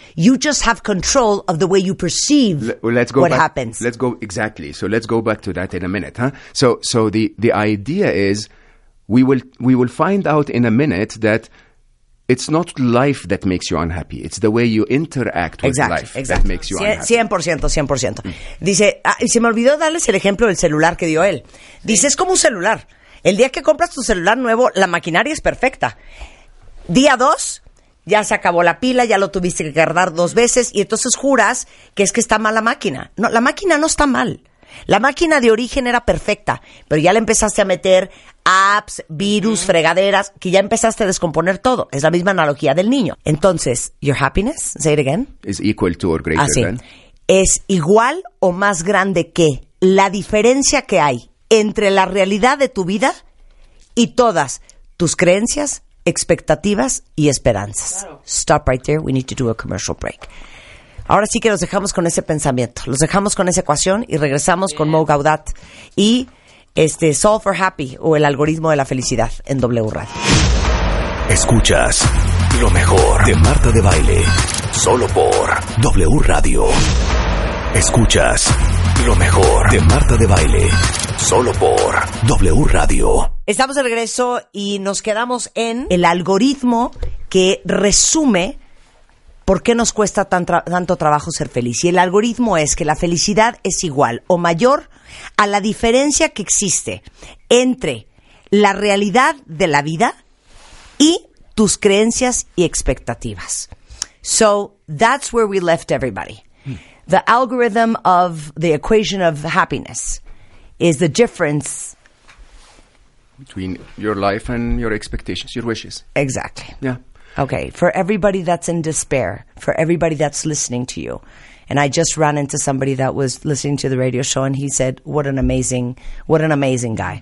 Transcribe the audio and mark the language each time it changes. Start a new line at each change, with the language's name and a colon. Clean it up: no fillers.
English: You just have control of the way you perceive happens. Let's go exactly. So let's go back to that in a minute, huh? So the idea is we will find out in a minute that it's not life that makes you unhappy. It's the way you interact with life that makes you unhappy. 100%, 100%.
Spanish: Dice, y se me olvidó darles el ejemplo del celular que dio él. Dice, es como un celular. El día que compras tu celular nuevo, la maquinaria es perfecta. Día dos, ya se acabó la pila, ya lo tuviste que cargar dos veces y entonces juras que es que está mal la máquina. No, la máquina no está mal. La máquina de origen era perfecta, pero ya le empezaste a meter apps, virus, fregaderas, que ya empezaste a descomponer todo. Es la misma analogía del niño. Entonces,
English: your happiness, say it again. Is equal to or greater than.
Spanish: Es igual o más grande que la diferencia que hay entre la realidad de tu vida y todas tus creencias, expectativas y esperanzas. Claro.
English: Stop right there, we need to do a commercial break.
Spanish: Ahora sí que los dejamos con ese pensamiento, los dejamos con esa ecuación y regresamos con Mo Gaudat y Solve for Happy o el algoritmo de la felicidad en W Radio. Escuchas lo mejor de Marta de Baile, solo por W Radio. Escuchas lo mejor de Marta de Baile, solo por W Radio. Estamos de regreso y nos quedamos en el algoritmo que resume ¿por qué nos cuesta tanto trabajo ser feliz? Y el algoritmo es que la felicidad es igual o mayor a la diferencia que existe entre la realidad de la vida y tus creencias y expectativas.
English: So, that's where we left everybody. The algorithm of the equation of happiness is the difference between your life and your expectations, your wishes. Exactly. Yeah. Okay, for everybody that's in despair, for everybody that's listening to you, and I just ran into somebody that was listening to the radio show, and he said, what an amazing guy.